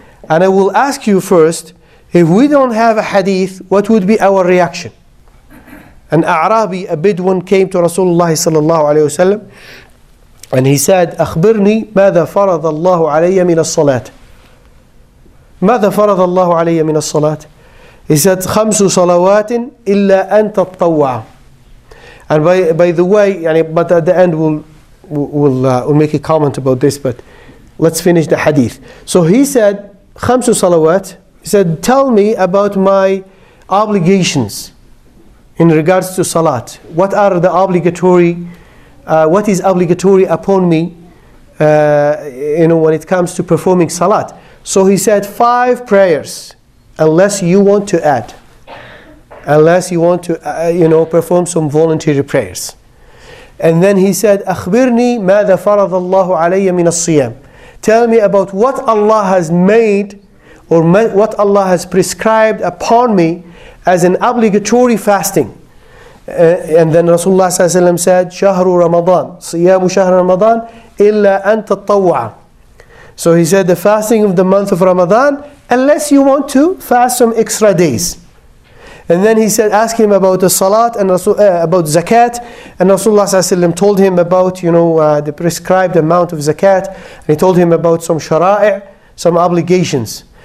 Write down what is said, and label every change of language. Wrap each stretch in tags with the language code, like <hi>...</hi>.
<en>And I will ask you first, if we don't have a hadith, what would be our reaction? An A'rabi, a Bedouin, came to Rasulullah sallallahu alayhi wa sallam, and he said, "Akhbirni,</en> <ar>ماذا فرض الله علي من الصلاة?" ماذا فرض الله علي من الصلاة?</ar> <en>He said,</en> <ar>"خمس صلوات إلا أن تطوع."</ar> <en>And by the way, يعني, but at the end we'll make a comment about this, but let's finish the hadith. So he said,</en> <ar>"خمس صلوات."</ar> <en>He said, "Tell me about my obligations in regards to salat. What are the obligatory, what is obligatory upon me, when it comes to performing salat?" So he said, "Five prayers, unless you want to add, unless you want to, perform some voluntary prayers." And then he said,</en> <ar>"أخبرني ماذا فرض الله علي من الصيام."</ar> <en>Tell me about what Allah has made, or what Allah has prescribed upon me as an obligatory fasting. And then Rasulullah sallallahu alaihi wasallam said,</en> <ar>"شهر رمضان, صيام شهر رمضان, إلا أن تطوع."</ar> <en>So he said, the fasting of the month of Ramadan, unless you want to fast some extra days. And then he said, ask him about the salat and about zakat. And Rasulullah sallallahu alaihi wasallam told him about the prescribed amount of zakat, and he told him about some shara'i', some obligations.</en>